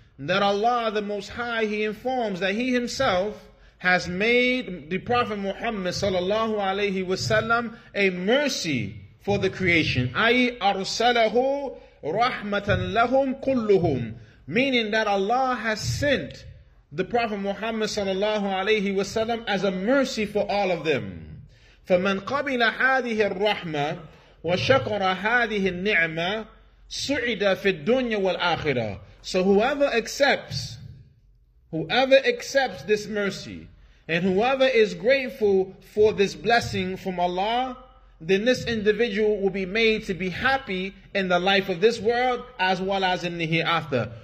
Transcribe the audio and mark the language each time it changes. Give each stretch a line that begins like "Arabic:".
English: That Allah the Most High, He informs that He Himself has made the Prophet Muhammad sallallahu alayhi wasallam a mercy for the creation.
Arabic: أي أرسله رحمة لهم كلهم.
English: Meaning that Allah has sent the Prophet Muhammad sallallahu alayhi wasallam as a mercy for all of them.
Arabic: فمن قبل هذه الرحمة وشكر هذه النعمة سعد في الدنيا والآخرة.
English: So whoever accepts this mercy, and whoever is grateful for this blessing from Allah, then this individual will be made to be happy in the life of this world as well as in the hereafter.